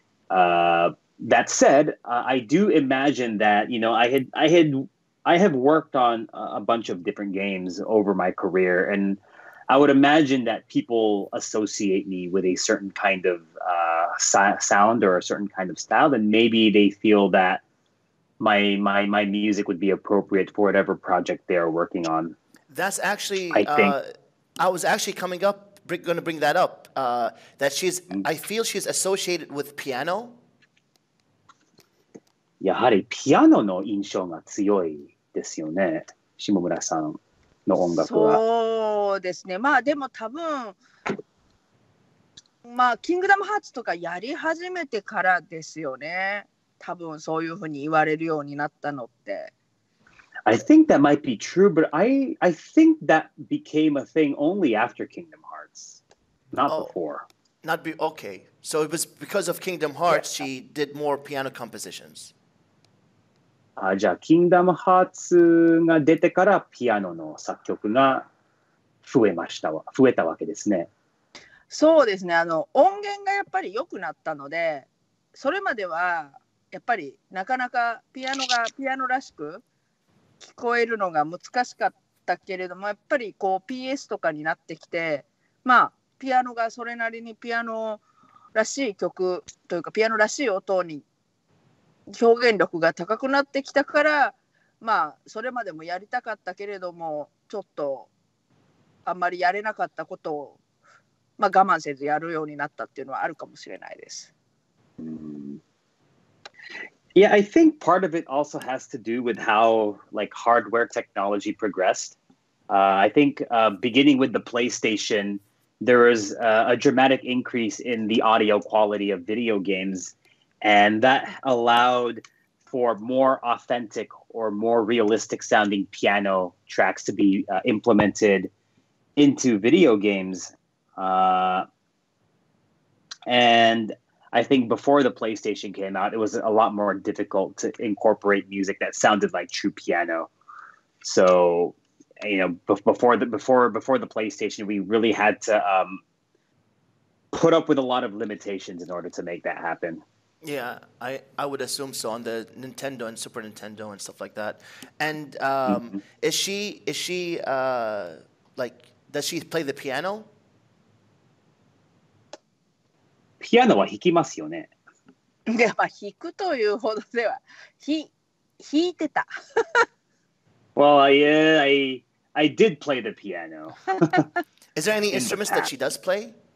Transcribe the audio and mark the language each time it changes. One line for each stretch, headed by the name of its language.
English: That said, I do imagine that, you know, I have worked on a bunch of different games over my career, and I would imagine that people associate me with a certain kind of sound or a certain kind of style, and maybe they feel that my music would be appropriate for whatever project they are working on. That's actually, I was actually coming up, going to bring that up, that she's, I feel she's associated with piano.
Japanese: やはりピアノの印象が強いですよね、下村さん。そうですね、まあでも多分まあキングダムハーツとかやり始めてからですよね、多分そういうふうに言われるようになったのって。
English: I think that might be true, but I think that became a thing only after Kingdom Hearts, not before. Not be okay. So it was because of Kingdom Hearts, yeah. She did more piano compositions.
Japanese: あ、じゃあ、キングダムハーツが出てからピアノの作曲が増えたわけですね。そうですね。あの、音源がやっぱり良くなったので、それまではやっぱりなかなかピアノらしく聞こえるのが難しかったけれども、やっぱりこう PS とかになってきて、まあ、ピアノがそれなりにピアノをらしい曲というかピアノらしい音に表現力が高くなってきたから、まあそれまでもやりたかったけれどもちょっとあんまりやれなかったことを、まあ、我慢せずやるようになったっていうのはあるかもしれないです。
English: Yeah, I think part of it also has to do with how like hardware technology progressed. I think beginning with the PlayStation, there was a dramatic increase in the audio quality of video games, and that allowed for more authentic or more realistic sounding piano tracks to be implemented into video games. And I think before the PlayStation came out, it was a lot more difficult to incorporate music that sounded like true piano. So, you know, before the PlayStation, we really had to put up with a lot of limitations in order to make that happen. Yeah, I would assume so on the Nintendo and Super Nintendo and stuff like that. And is she does she play the piano?
Japanese: ピアノは弾きますよね。で、まあ弾くというほどでは、弾いてた。
English: Well, yeah, I did play the piano. Is there any instruments that she does play?